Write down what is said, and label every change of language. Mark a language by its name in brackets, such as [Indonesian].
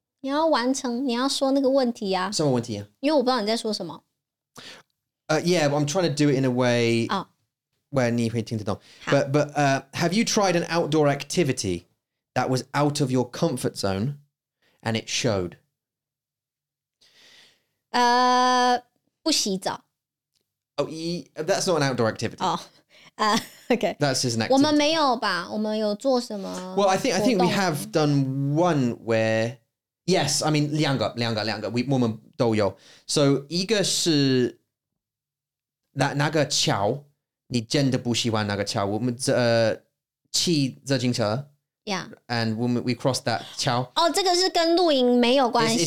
[Chinese] 你要完成，你要说那个问题啊，什么问题啊？因为我不知道你在说什么。 [English] Yeah, I'm trying to do it in a way where [Chinese] 你会听得懂。 [English] But have you tried an outdoor activity that was out of your comfort zone and it showed? [Chinese] 不洗澡。 [English] Oh, that's not an outdoor activity. Oh, okay. That's just an activity. [Chinese] 我们没有吧？我们有做什么？ [English] Well, I think we have done one where, yes, I mean, [Chinese] 两个, [English] we [Chinese] 我们都有。 So 一个是那个桥，你真的不喜欢那个桥？我们骑自行车。 [English] Yeah. And we crossed that 桥。 [Chinese] 哦，这个是跟露营没有关系。